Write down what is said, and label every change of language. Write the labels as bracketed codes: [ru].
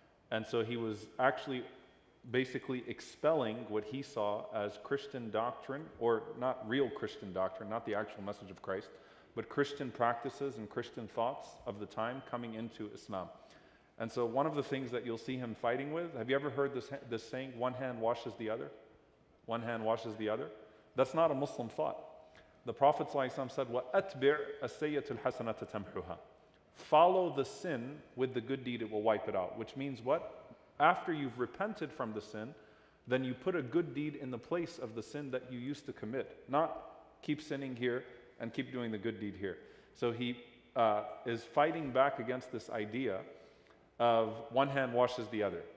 [en] And so he was actually basically expelling what he saw as Christian doctrine, or not real Christian doctrine, not the actual message of Christ, but Christian practices and Christian thoughts of the time coming into Islam. And so one of the things that you'll see him fighting with, have you ever heard this saying, one hand washes the other? One hand washes the other? That's not a Muslim thought. [ar] The Prophet ﷺ said, وَأَتْبِعْ أَسَّيَّةُ الْحَسَنَةَ تَمْحُهَا. [en] Follow the sin with the good deed, it will wipe it out. Which means what? After you've repented from the sin, then you put a good deed in the place of the sin that you used to commit. Not keep sinning here and keep doing the good deed here. So he is fighting back against this idea of one hand washes the other.